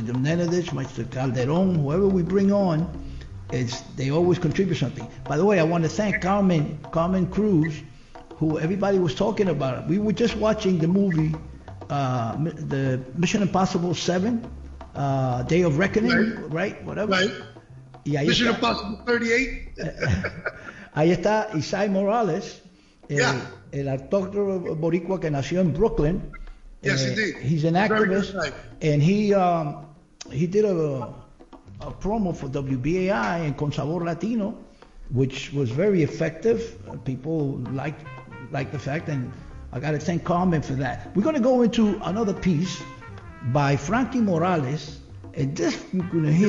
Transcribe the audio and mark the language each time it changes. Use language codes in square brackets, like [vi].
[en] Nenadich, Mr. Calderon, whoever we bring on, they always contribute something. By the way, I want to thank Carmen Cruz, who everybody was talking about. We were just watching the movie, the Mission Impossible 7, Day of Reckoning, right? Whatever. Right. [es] Ahí Mission está. Impossible 38. Ahí está Isai Morales, el actor boricua que nació [en] in Brooklyn. Yes, indeed. He's an activist, and he did a promo for WBAI and Con Sabor Latino, which was very effective. People like the fact, and I got to thank Carmen for that. We're going to go into another piece by Frankie Morales, and this you're going to hear.